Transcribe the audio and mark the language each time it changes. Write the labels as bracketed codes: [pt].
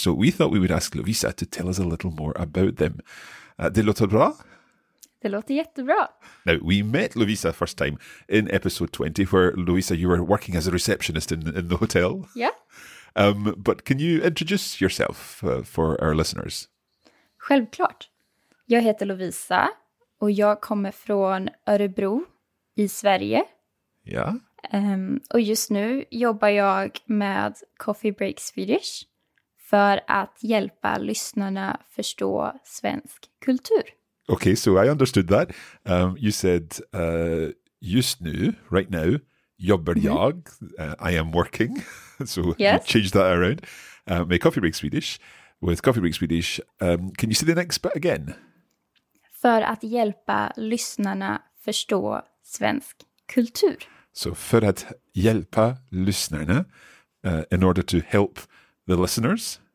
[en] So we thought we would ask Lovisa to tell us a little more about them. [sv] Det låter bra? Det låter jättebra. [en] Now, we met Lovisa first time in episode 20, where Lovisa, you were working as a receptionist in the hotel. Yeah. But can you introduce yourself for our listeners? [sv] Självklart. Jag heter Lovisa och jag kommer från Örebro i Sverige. Ja. Och just nu jobbar jag med Coffee Break Swedish för att hjälpa lyssnarna förstå svensk kultur. [en] Okay, so I understood that. You said, [sv] just nu, [en] right now, [sv] jobbar [en] mm-hmm. jag, I am working. So yes. You changed that around. [sv] Med Coffee Break Swedish. [en] With Coffee Break Swedish, can you say the next bit again? [sv] För att hjälpa lyssnarna förstå svensk kultur. [en] So [sv] för att hjälpa lyssnarna, [en] in order to help the listeners,